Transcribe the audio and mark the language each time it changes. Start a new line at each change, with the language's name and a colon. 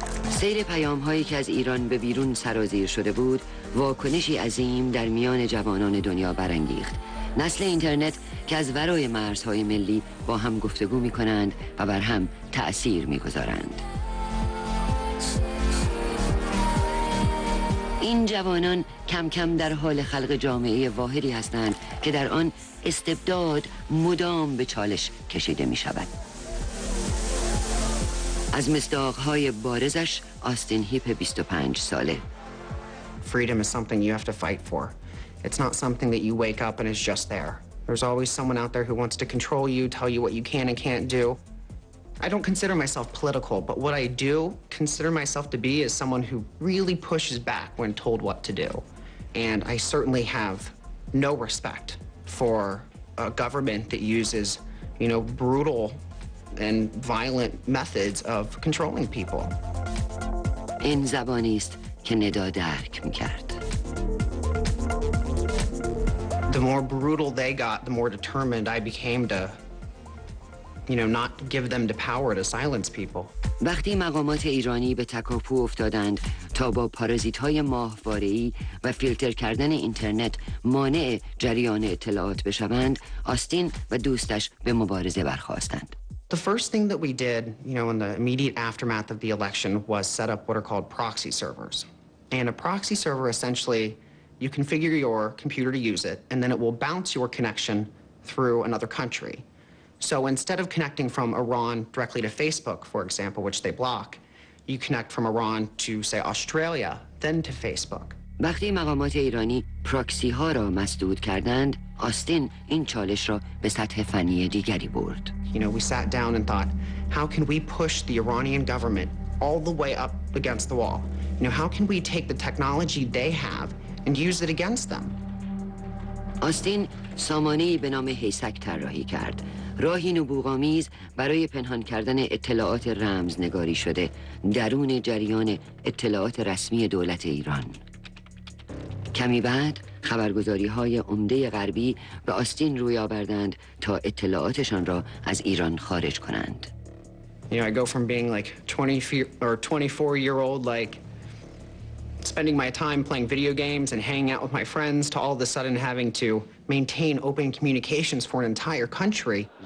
Persian: سیر پیام‌هایی که از ایران به بیرون سرازیر شده بود، واکنشی عظیم در میان جوانان دنیا برانگیخت. نسل اینترنت که از ورای مرزهای ملی با هم گفتگو می‌کنند و بر هم تأثیر می‌گذارند. این جوانان کم کم در حال خلق جامعه واحدی هستند که در آن استبداد مدام به چالش کشیده می‌شود. از مصداق‌های بارزش آستین هیپ 25 ساله.
English: Freedom is something you have to fight for. It's not something that you wake up and it's just there. There's always someone out there who wants to control you, tell you what you can and can't do. I don't consider myself political, but what I do consider myself to be is someone who really pushes back when told what to do. And I certainly have no respect for a government that uses, you know, brutal and violent methods of controlling people.
Persian: این زبانی است که ندا درک می‌کرد.
English: The more brutal they got, the more determined I became to, you know, not give them the power to silence people.
Persian: وقتی مقامات ایرانی به تکاپو افتادند تا با پارازیت‌های ماهواره‌ای و فیلتر کردن اینترنت مانع جریان اطلاعات بشوند، آستین و دوستش به مبارزه برخاستند.
English: The first thing that we did, you know, in the immediate aftermath of the election was set up what are called proxy servers. And a proxy server, essentially, you configure your computer to use it, and then it will bounce your connection through another country. So instead of connecting from Iran directly to Facebook, for example, which they block, you connect from Iran to, say, Australia, then to Facebook.
Persian: وقتی مقامات ایرانی پراکسی ها را مسدود کردند، آستین این چالش را به سطح فنی دیگری برد.
English: You know, we sat down and thought, how can we push the Iranian government all the way up against the wall. You know, how can we take the technology they have and use it against them?
Persian: آستین سامانه‌ای به نام هیسک طراحی کرد. راهی نبوغامیز برای پنهان کردن اطلاعات رمزنگاری شده درون جریان اطلاعات رسمی دولت ایران. کمی بعد خبرگزاری‌های عمده غربی به آستین روی آوردند تا اطلاعاتشان را از ایران خارج کنند.
English: You know, I go from being like 20 or 24 year old, like spending my time playing video games and hanging out with my friends, to all of a sudden having to maintain open communications for an entire country.